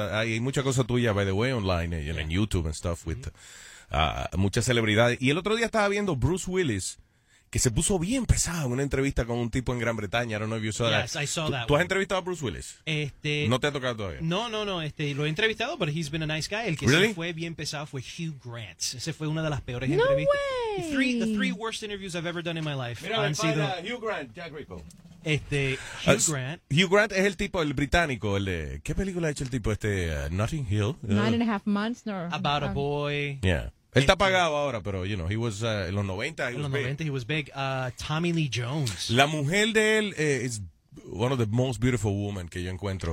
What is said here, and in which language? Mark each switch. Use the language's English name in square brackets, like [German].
[Spanish] Hay mucha cosa tuya, [English] by the way, online, yeah. [Spanish] En YouTube [English] and stuff, with [Spanish] muchas celebridades. Y el otro día estaba viendo Bruce Willis, que se puso bien pesado en una entrevista con un tipo en Gran Bretaña. [English] I don't know if you saw that. Yes, I saw that. [Spanish] ¿Tú has entrevistado a Bruce Willis? ¿No te ha tocado todavía? No. Lo he entrevistado, [English] but he's been a nice guy. [Spanish] El que [English] really? [Spanish] Se fue bien pesado fue Hugh Grant. Ese fue una de las peores no entrevistas. [English] No way! The three worst interviews I've ever done in my life. [Spanish] Mira, han sido Hugh Grant, Jack Rico. Hugh Grant. Hugh Grant es el tipo, el británico, el de... ¿Qué película ha hecho el tipo este? Notting Hill. [English] Nine and a half months. No. About a boy. [Spanish] Yeah. Él está pagado ahora, pero, [English] you know, he was, [Spanish] en los 90, [English] he was big. Tommy Lee Jones. [Spanish] La mujer de él es [English] one of the most beautiful women [Spanish] que yo encuentro.